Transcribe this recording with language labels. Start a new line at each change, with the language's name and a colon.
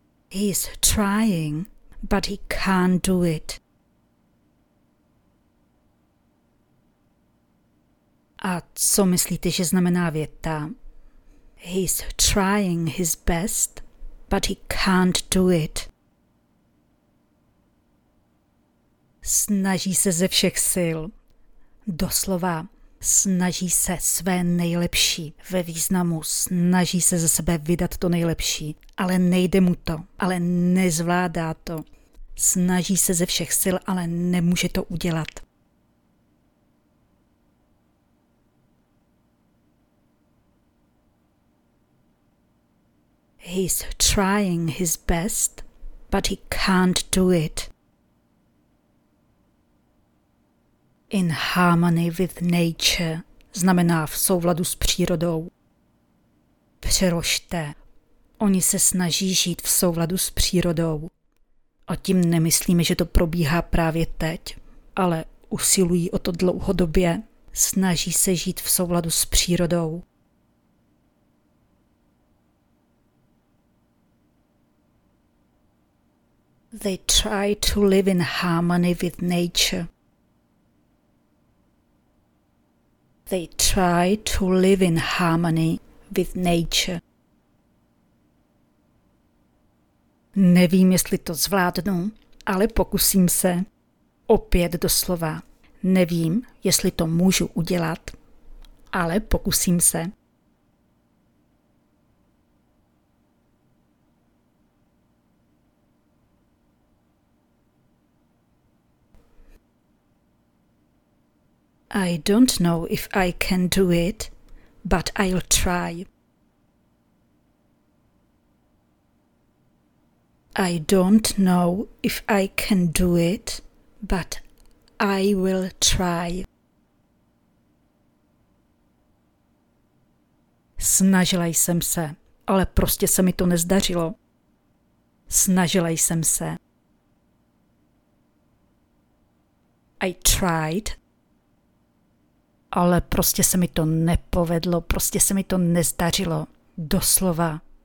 English: He's trying, but he can't do it.
Czech: A co myslíte, že znamená věta?
English: He's trying his best, but he can't do it.
Czech: Snaží se ze všech sil. Doslova, snaží se své nejlepší ve významu. Snaží se ze sebe vydat to nejlepší. Ale nejde mu to. Ale nezvládá to. Snaží se ze všech sil, ale nemůže to udělat.
English: He's trying his best, but he can't do it. In harmony with nature
Czech: znamená v souladu s přírodou. Přerožte. Oni se snaží žít v souladu s přírodou. A tím nemyslíme, že to probíhá právě teď, ale usilují o to dlouhodobě. Snaží se žít v souladu s přírodou.
English: They try to live in harmony with nature. They try to live in harmony with nature.
Czech: Nevím, jestli to zvládnu, ale pokusím se. Opět doslova. Nevím, jestli to můžu udělat, ale pokusím se.
English: I don't know if I can do it, but I'll try. I don't know if I can do it, but I will try.
Czech: Snažila jsem se, ale prostě se mi to nezdařilo. Snažila jsem se.
English: I tried,
Czech: ale prostě se mi to nepovedlo, prostě se mi to nezdařilo, doslova.